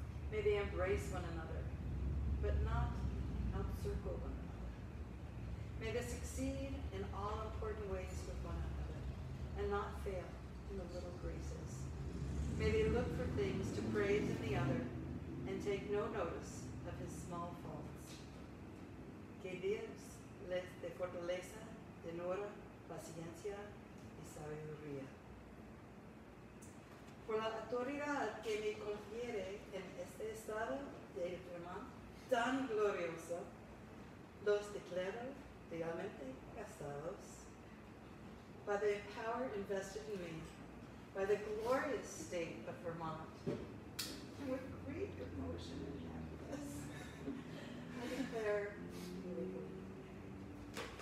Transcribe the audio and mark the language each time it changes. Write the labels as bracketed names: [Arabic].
[English] May they embrace one another, but not outcircle one another. May they succeed in all important ways with one another and not fail in the little graces. May they look for things to praise in the other and take no notice of his small faults. [Spanish] Que Dios les dé fortaleza, tenura, paciencia y sabiduría. Por la autoridad que me confiere en este estado de Vermont, tan glorioso, los declaro legalmente casados. [English] By the power invested in me, by the glorious state of Vermont, and with great emotion and happiness, I declare you legally.